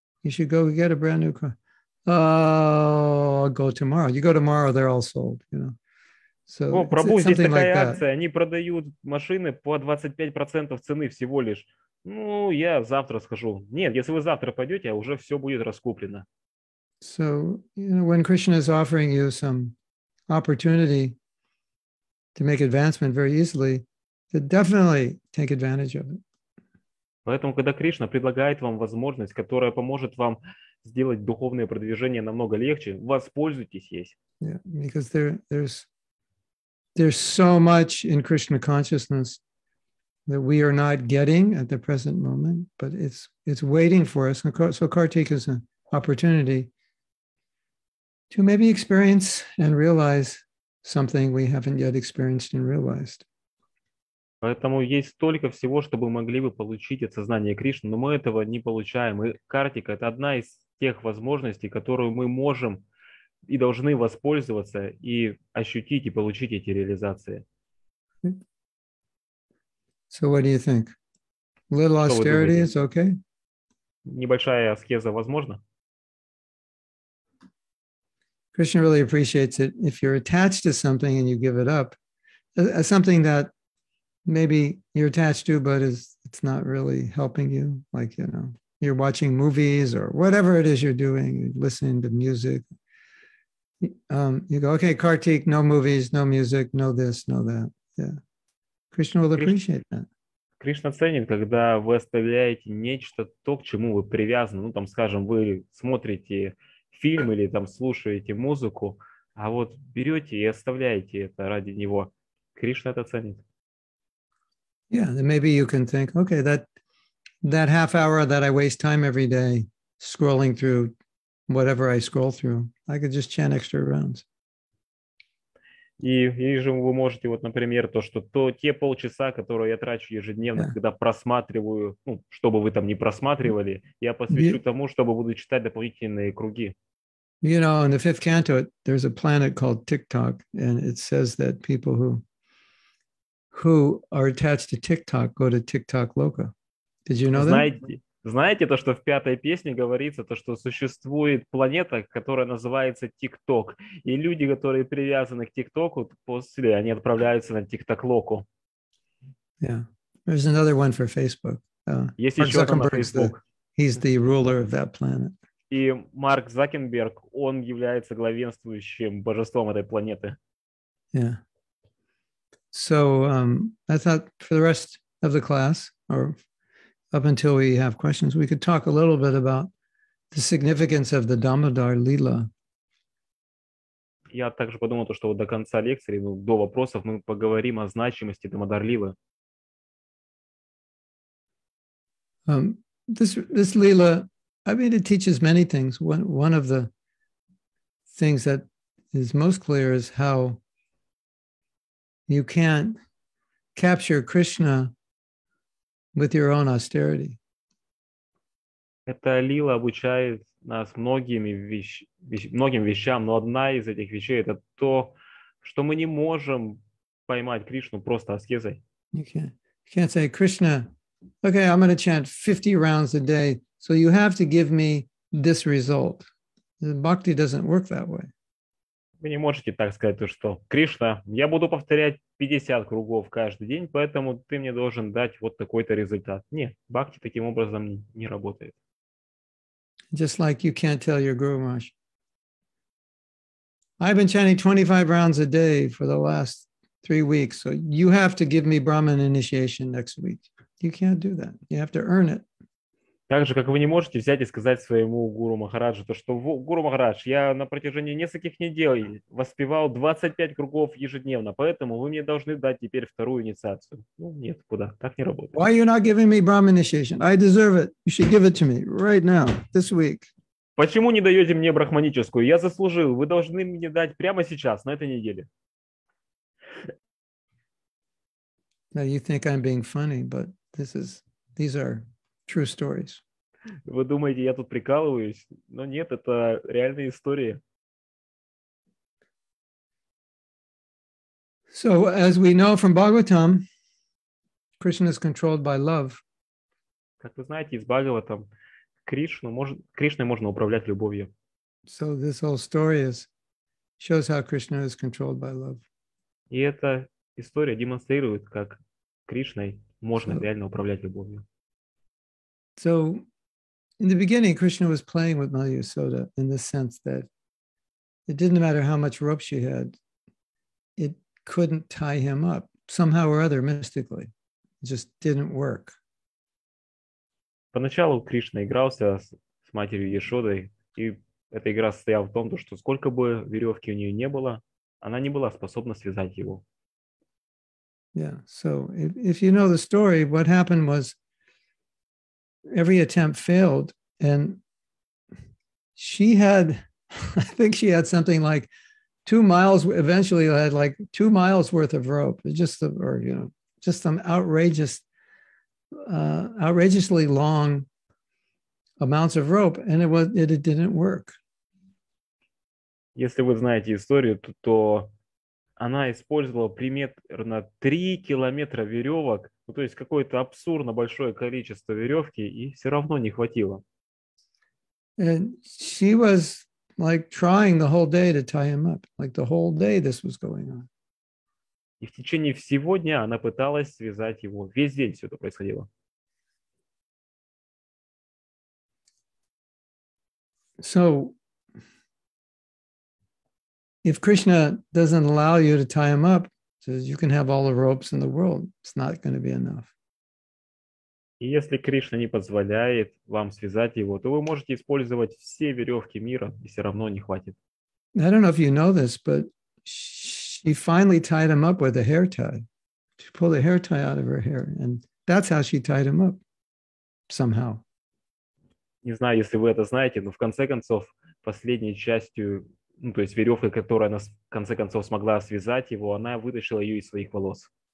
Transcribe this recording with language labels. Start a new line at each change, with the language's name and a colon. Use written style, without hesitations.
English: You should go get a brand new car. Oh, I'll go tomorrow. You go tomorrow, they're all sold, you know. So
Russian: О, Прабу,
English: it's
Russian: здесь
English: something
Russian: такая
English: like that.
Russian: акция. Они продают машины по 25% цены всего лишь. Ну, я завтра схожу. Нет, если вы завтра пойдете, уже все будет раскуплено.
English: So, you know, when Krishna is offering you some opportunity to make advancement very easily, then definitely take advantage of it.
Russian: Поэтому, когда Кришна предлагает вам возможность, которая поможет вам сделать духовное продвижение намного легче, воспользуйтесь ей.
English: Yeah, because there's so much in Krishna consciousness that we are not getting at the present moment, but it's waiting for us. So Kartika is an opportunity to maybe experience and realize something we haven't yet experienced and realized.
Russian: Поэтому есть столько всего, что мы могли бы получить от сознания Кришны, но мы этого не получаем. И Картика – это одна из тех возможностей, которую мы можем и должны воспользоваться и ощутить, и получить эти реализации.
English: So what do you think? Little austerity is okay?
Russian: Небольшая аскеза возможна?
English: Krishna really appreciates it if you're attached to something and you give it up. Something that maybe you're attached to, but it's not really helping you. Like, you know, you're watching movies or whatever it is you're doing, you're listening to music. You go, okay, Kartik, no movies, no music, no this, no that. Yeah. Krishna will appreciate that.
Russian: Кришна ценит, когда вы оставляете нечто, то, к чему вы привязаны. Ну, там, скажем, вы смотрите фильм или там слушаете музыку, а вот берете и оставляете это ради него. Кришна это ценит.
English: Yeah, then maybe you can think, okay, that half hour that I waste time every day scrolling through whatever I scroll through, I could just chant extra rounds.
Russian: И же вы можете, вот, например, те полчаса, которые я трачу ежедневно, yeah, когда просматриваю, ну, что бы вы там ни просматривали, я посвящу тому, чтобы буду читать дополнительные круги.
English: You know, in the fifth canto, there's a planet called TikTok, and it says that people who are attached to TikTok go to TikTok Loka. Did you know that?
Russian: Знаете, то, что в пятой песне говорится, то, что существует планета, которая называется ТикТок, и люди, которые привязаны к ТикТоку, после они отправляются на ТикТок-локу.
English: Yeah, there's another one for Facebook.
Russian: Есть еще одна на Facebook.
English: He's the ruler of that planet.
Russian: И Марк Закенберг, он является главенствующим божеством этой планеты.
English: Yeah. So I thought for the rest of the class, or up until we have questions, we could talk a little bit about the significance of the Damodar Lila.
Russian: Я также подумал, то, что до конца лекции, ну, до вопросов, мы поговорим о значимости Дамодар Лилы.
English: This Lila, I mean, it teaches many things. One of the things that is most clear is how you can't capture Krishna with your own austerity.
Russian: Эта лила обучает нас многим вещам, но одна из этих вещей — это то, что мы не можем поймать Кришну просто аскезой.
English: You can't say, Krishna, okay, I'm going to chant 50 rounds a day, so you have to give me this result. Bhakti doesn't work that way.
Russian: Вы не можете так сказать, что Кришна, я буду повторять 50 кругов каждый день, поэтому ты мне должен дать вот такой-то результат. Нет, бхакти таким образом не работает.
English: Just like you can't tell your Guru Maharaj, I've been chanting 25 rounds a day for the last 3 weeks, so you have to give me Brahman initiation next week. You can't do that. You have to earn it.
Russian: Так же, как вы не можете взять и сказать своему гуру Махараджу, то, что гуру Махарадж, я на протяжении нескольких недель воспевал 25 кругов ежедневно, поэтому вы мне должны дать теперь вторую инициацию. Ну, нет, куда? Так не работает.
English: Why are you not giving me Brahma initiation? I deserve it. You should give it to me right now, this week.
Russian: Почему не даете мне брахманическую? Я заслужил. Вы должны мне дать прямо сейчас, на этой неделе.
English: Now you think I'm being funny, but these are true stories.
Russian: Вы думаете, я тут прикалываюсь? Но нет, это реальные истории.
English: So, as we know from Bhagavatam, Krishna is controlled by love.
Russian: Как вы знаете из Бхагаватам, Кришной можно управлять любовью.
English: So this whole story shows how Krishna is controlled by love.
Russian: И эта история демонстрирует, как Кришной можно реально управлять любовью.
English: So in the beginning, Krishna was playing with Maya Yasoda in the sense that it didn't matter how much rope she had, it couldn't tie him up somehow or other mystically. It just didn't work.
Russian: Поначалу Кришна игрался с матерью Яшодой, и эта игра состояла в том, что сколько бы веревки у нее не было, она не была способна связать его.
English: Yeah, so if you know the story, what happened was every attempt failed, and she had, I think she had something like 2 miles, eventually had like 2 miles worth of rope, just some outrageous, outrageously long amounts of rope, and it didn't work.
Russian: Если вы знаете историю, то она использовала примерно 3 километра веревок, ну, то есть какое-то абсурдно большое количество веревки, и все равно не хватило.
English: And she was like trying the whole day to tie him up, like the whole day this was going on.
Russian: И в течение всего дня она пыталась связать его, весь день все это происходило.
English: So, if Krishna doesn't allow you to tie him up, says you can have all the ropes in the world, it's not going to be enough.
Russian: И если Кришна не позволяет вам связать его, то вы можете использовать все веревки мира, и все равно не хватит.
English: I don't know if you know this, but she finally tied him up with a hair tie. She pulled a hair tie out of her hair, and that's how she tied him up somehow.
Russian: Не знаю, если вы это знаете, но в конце концов последней частью, ну, то есть веревка, которая она в конце концов смогла связать его, она вытащила ее из своих волос.